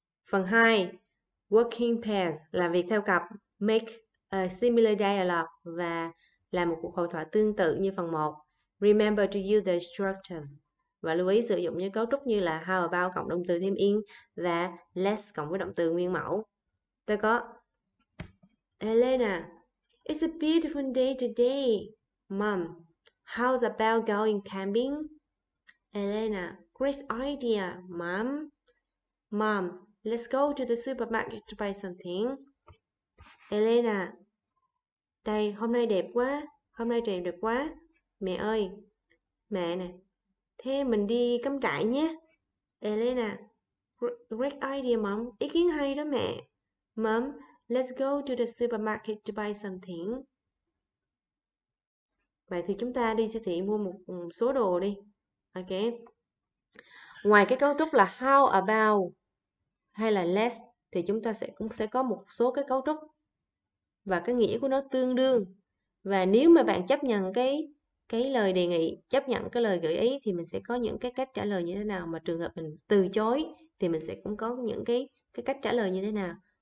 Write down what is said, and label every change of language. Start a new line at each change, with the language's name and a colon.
Vietnamese: Phần 2,
English: working pairs,
Vietnamese: làm việc theo cặp,
English: make a similar dialogue
Vietnamese: và làm một cuộc hội thoại tương tự như phần 1.
English: Remember to use the structures.
Vietnamese: Và lưu ý sử dụng những cấu trúc như là how about cộng động từ thêm in và let's cộng với động từ nguyên mẫu. Ta có
English: Elena, it's a beautiful day today. Mom, how's about going camping? Elena, great idea, Mom. Mom, let's go to the supermarket to buy something.
Vietnamese: Elena, đây, hôm nay đẹp quá. Hôm nay trời đẹp quá. Mẹ ơi, mẹ nè. Thế mình đi cắm trại nhé. Elena,
English: great idea, Mom.
Vietnamese: Ý kiến hay đó mẹ.
English: Mom, let's go to the supermarket to buy something.
Vietnamese: Vậy thì chúng ta đi siêu thị mua một số đồ đi.
English: Ok.
Vietnamese: Ngoài cái cấu trúc là how about hay là let's thì chúng ta cũng sẽ có một số cái cấu trúc và cái nghĩa của nó tương đương. Và nếu mà bạn chấp nhận cái lời đề nghị, chấp nhận cái lời gợi ý thì mình sẽ có những cái cách trả lời như thế nào, mà trường hợp mình từ chối thì mình sẽ cũng có những cái cách trả lời như thế nào.